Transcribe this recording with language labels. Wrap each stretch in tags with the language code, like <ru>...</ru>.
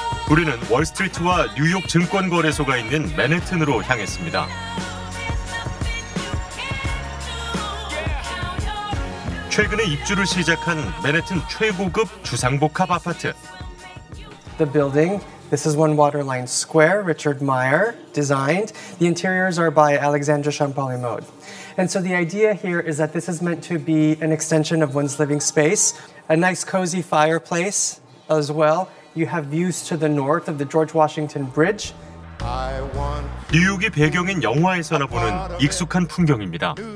<ko>우리는 월스트리트와 뉴욕 증권거래소가 있는 맨해튼으로 향했습니다. 최근에 입주를 시작한 맨해튼 최고급 주상복합 아파트.</ko> <en>The building. This is One Waterline Square, Richard Meyer designed. The interiors are by Alexandre Champollimaud. And so the idea here is that this is meant to be an extension of one's living space, a nice cozy fireplace as well. You have views to the north of the George Washington Bridge.</en> <ko>뉴욕이 배경인 영화에서나 보는 익숙한 풍경입니다.</ko>